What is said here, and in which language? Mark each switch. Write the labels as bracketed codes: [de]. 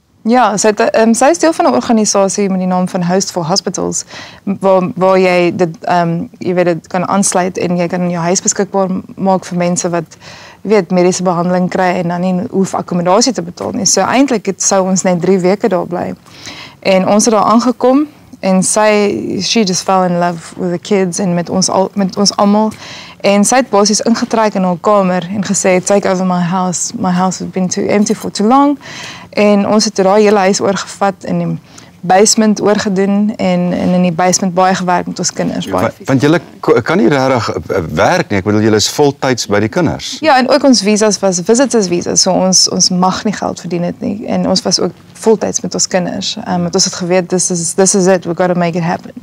[af] Ja, sy is deel van een organisatie met die naam van House for Hospitals, waar jy dit, jy weet het, kan aansluit, en jy kan jou huis beskikbaar maak vir mense wat weet, medische behandeling kry en dan nie hoef akkommodasie te betaal nie. So eindelijk het sou ons net 3 weke daar bly. En ons het daar aangekom en [en] she just fell in love with the kids [af] en met ons allemaal. En sy het basis ingetrek in haar kamer en gesê, [en] take over my house. My house has been too empty for too long. [af] En ons het daar hele huis oorgevat en die basement oorgedoen en in die basement baie gewerk met ons kinders. Ja, want julle kan nie rarig werk nie, ek bedoel julle is voltyds by die kinders. Ja, en ook ons visas was visitors visas, so ons mag nie geld verdien het nie, en ons was ook voltyds met ons kinders, want ons het geweet, [en] this is it, we gotta make it happen.